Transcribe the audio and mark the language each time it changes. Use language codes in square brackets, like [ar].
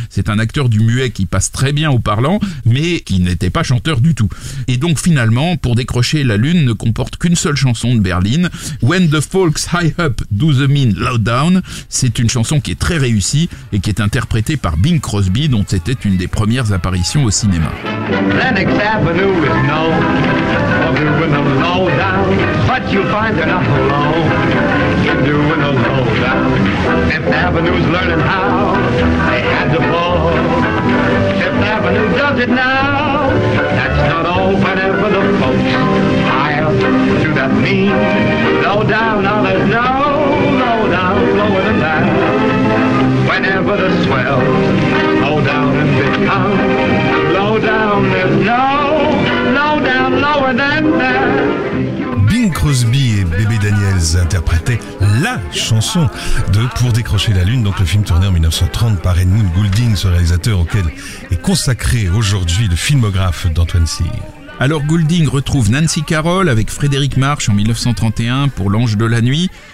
[fr] C'est un acteur du muet qui passe très bien au parlant, mais qui n'était pas chanteur du tout. Et donc, finalement, pour décrocher, La Lune ne comporte qu'une seule chanson de Berlin, When the Folks High Up Do the Mean Low Down. C'est une chanson qui est très réussie et qui est interprétée par Bing Crosby, dont c'était une des premières apparitions au cinéma. [en] Lenox Avenue is known for doing a low down, but you find they're not alone. You're doing a low down. Fifth Avenue's learning how they had to fall. Fifth Avenue does it now. That's not all, whenever the folks. To that mean low down, now there's no low down lower than that. Whenever the swells low down and become low down, there's no low down lower than that. [fr] Bing Crosby et Bébé Daniels interprétaient la chanson de Pour décrocher la lune, donc le film tourné en 1930 par Edmund Goulding, ce réalisateur auquel est consacré aujourd'hui le filmographe d'Antoine Cyr. Alors Goulding retrouve Nancy Carroll avec Frédéric March en 1931 pour L'Ange de la Nuit.